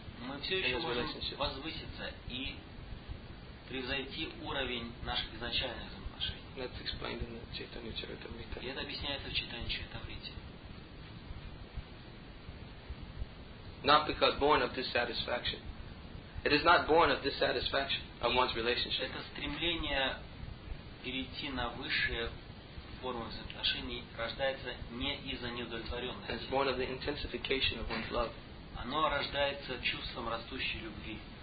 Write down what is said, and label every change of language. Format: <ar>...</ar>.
<ru>Мы все еще можем возвыситься и превзойти уровень наших изначальных взаимоотношений.</ru> <en>That's explained in the Chaitanya Charitamrita.</en> <ru>И это объясняется в Chaitanya Charitamrita.</ru> <en>Not because born of dissatisfaction. It is not born of dissatisfaction of one's relationship.</en> <ru>Это стремление перейти на высшие формы взаимоотношений рождается не из-за неудовлетворенности.</ru> <en>It's born of the intensification of one's love.</en> <ru>Оно рождается чувством растущей любви.</ru>